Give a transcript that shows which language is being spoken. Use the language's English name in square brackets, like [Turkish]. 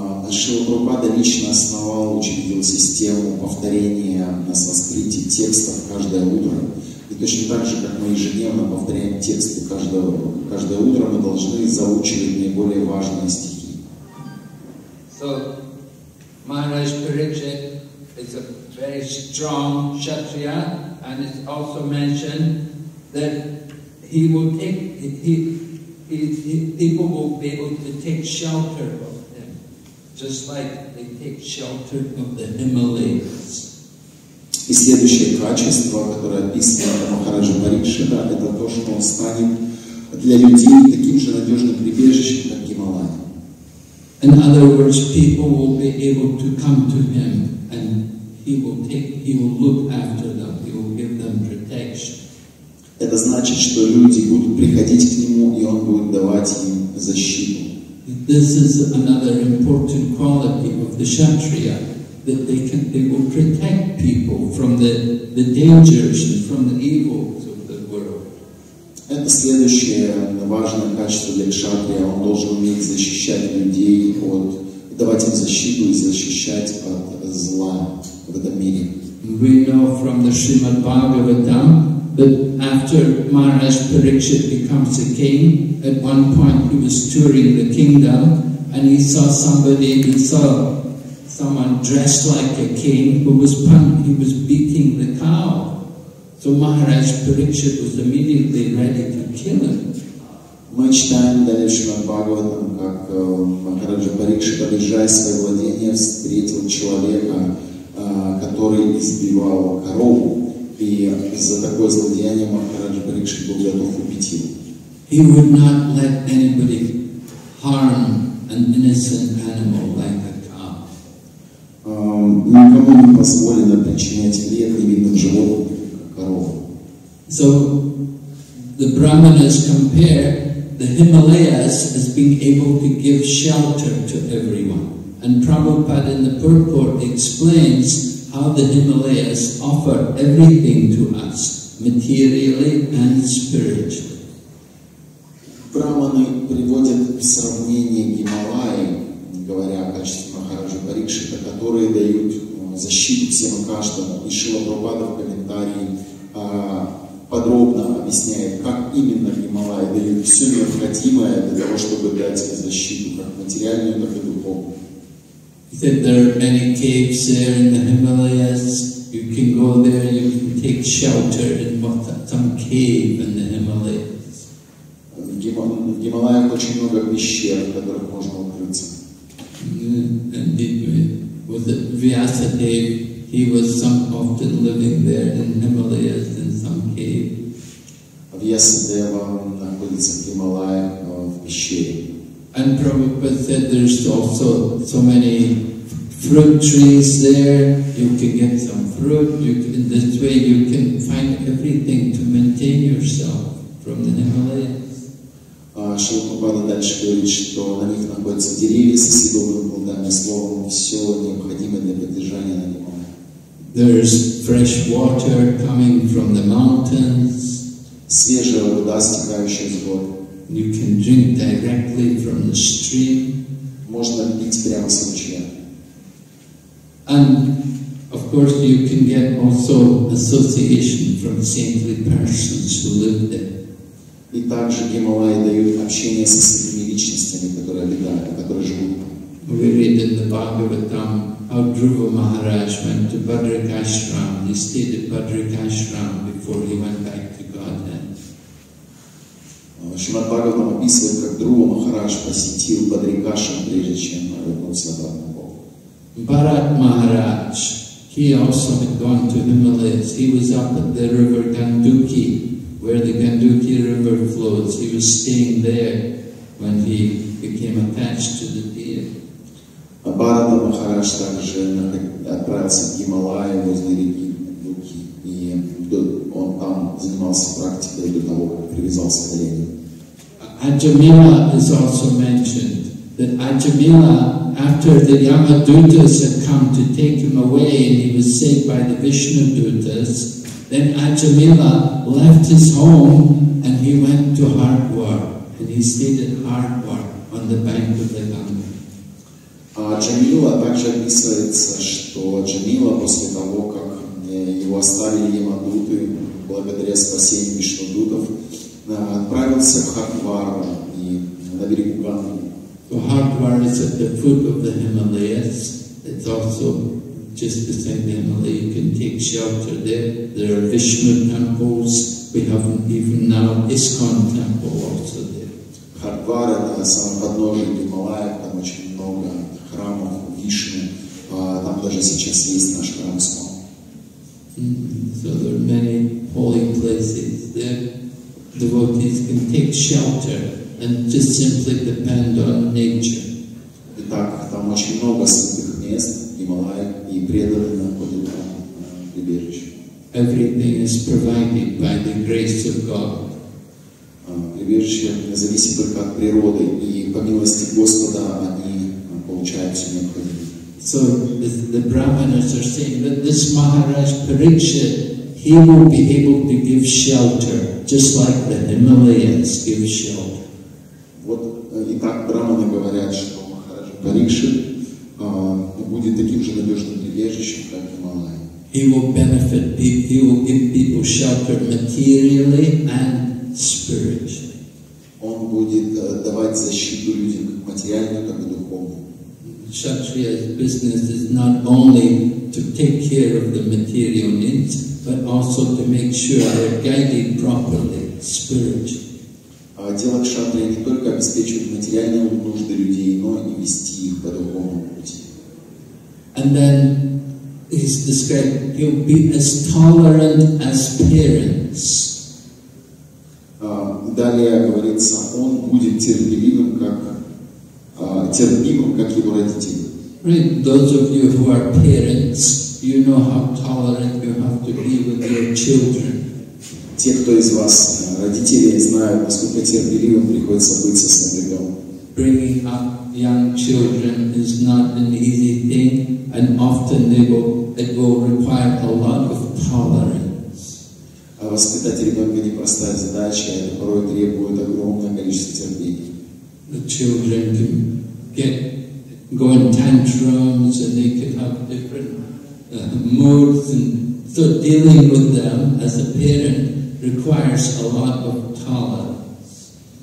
[Russian] Шрила Прабхупада лично основал, учредил систему повторения на санскрите текстов каждое утро. И точно так же, как мы ежедневно повторяем тексты каждое утро, мы должны заучивать наиболее важные стихи. [English] So, Maharaj Parikshit is a very strong kshatriya, and it's also mentioned that people will be able to take shelter of him, just like they take shelter of the Himalayas. [Russian] И следующее качество, которое описано Махараджа Парикшита, это то, что он станет для людей таким же надежным прибежищем, как Гималая. [English] In other words, people will be able to come to him, and he will look after them. He will give them protection. [Russian] Это значит, что люди будут приходить к нему, и он будет давать им защиту. [English] This is another important quality of the kshatriya, that they will protect people from the dangers and from the evils of the world. [Russian] Это следующее важное качество для кшатрия. Он должен уметь защищать людей от, давать им защиту и защищать от зла в этом мире. [English] We know from the Srimad Bhagavatam that after Maharaj Parikshit becomes a king, at one point he was touring the kingdom and he saw someone dressed like a king who was he was beating the cow. So Maharaj Parikshit was immediately ready to kill him. [Russian] Мы читаем далее в Шримад Бхагаватам, как Махараджа Парикшит, обижая свое владение, встретил человека, который избивал корову. И из-за такое злодеяние Махараджа Парикшит был готов убить его. [English] He would not let anybody harm an innocent animal like a cow. [Russian] Никому не позволено причинять вред невинным животным, как корову. [English] So the brahmanas compare the Himalayas as being able to give shelter to everyone. And Prabhupada in the purport explains how the Himalayas offer everything to us, materially and spiritually. [Russian] Брахманы приводят в сравнение Гималаи, говоря о качестве Махараджа Парикшита, которые дают защиту всем и каждому. И Шрила Прабхупада в комментарии подробно объясняет, как именно Гималаи дают все необходимое для того, чтобы дать защиту, как материальную, так и духовную. [English] He said, there are many caves there in the Himalayas. You can go there, you can take shelter in some cave in the Himalayas. [Russian] В Гималаях очень много пещер, в которых можно укрыться. [English] And was it Vyasadeva? He was often living there in the Himalayas in some cave. [Russian] Vyasadeva находится в Гималаях, в пещере. [English] And Prabhupada said there's also so many fruit trees there, you can get some fruit, in this way you can find everything to maintain yourself from the Himalayas. [Russian] Шрила Прабхупада дальше говорит, что на них находятся деревья со съедобным плодами, словом, все необходимое для поддержания на Гималаях. [English] There's fresh water coming from the mountains. [Russian] Свежая вода, стекающая с гор. [English] You can drink directly from the stream. [Russian] Можно пить прямо с ручья. [English] And of course you can get also association from saintly persons who live there. [Russian] И также Гималаи дают общение со святыми личностями, которые обитают, которые живут. [English] We read in the Bhagavatam how Dhruva Maharaj went to Bhadrakashram. He stayed at Bhadrakashram before he went back to Godhead. [Russian] Шримад Бхагаватам описывает, как Дхрува Махарадж посетил Бхадракашрам, прежде чем вернуться обратно в Бога. [English] Bharat Maharaj, he also had gone to Himalayas. He was up at the river Ganduki, where the Ganduki river flows. He was staying there when he became attached to the deer. [Russian] Бхарата Махарадж также отправился в Гималаи возле реки Дуки, и он там занимался практикой до того, как привязался к олене. [English] Аджамила is also mentioned, that Аджамила, after the Ямадутас had come to take him away and he was saved by the Вишнудутас, then Аджамила left his home and he went to Хардвар, and he stayed at Хардвар on the bank of the Ганга. [Russian] А Джамила также описывается, что Джамила после того, как его оставили Ямадуты, благодаря спасению Вишнудутов, отправился в Хардвар и на берегу Ганги. [English] So Хардвар is at the foot of the Himalayas. It's also just beside the Himalayas. You can take shelter there. There are Vishnu temples. We have even now ISKCON temple also there. [Russian] Хардвар — это самое подножие Гималаев, там очень много храмов, Вишну, там даже сейчас есть наш храм ISKCON. [English] So there are many holy places there. Devotees can take shelter and just simply depend on nature. [Russian] Итак, там очень много святых мест, Гималаев, и преданные находят там прибежище. [English] Everything is provided by the grace of God. [Russian] Прибежище зависит только от природы, и по милости Господа они получают все необходимое. [English] So the Brahmanas are saying that this Maharaj Parikshit, he will be able to give shelter, just like the Himalayas give shelter. [Russian] Вот и так Брахманы говорят, что Махарадж Парикшит будет таким же надежным прибежищем, как Гималаи. [English] He will benefit people, he will give people shelter materially and spiritually. [Russian] Он будет давать защиту людям как материальную, так и духовную. [English] Kshatriya's business is not only to take care of the material needs, but also to make sure they're guided properly, spiritually. [Russian] Дело кшатрия не только обеспечивать материальные нужды людей, но и вести их по духовному пути. [English] And then he's described, he'll be as tolerant as parents. [Russian] Далее говорится, он будет терпимым, как его родители. [English] Right, those of you who are parents, you know how tolerant you have to be with your children. [Russian] Те, кто из вас родители, знают, насколько терпеливым приходится быть со своим ребенком. [English] Bringing up young children is not an easy thing, and often it will require a lot of tolerance. [Russian] А воспитать ребенка непростая задача, это порой требует огромное количество терпения. [English] The children can go in tantrums, and they can have different moods, and so dealing with them as a parent requires a lot of tolerance.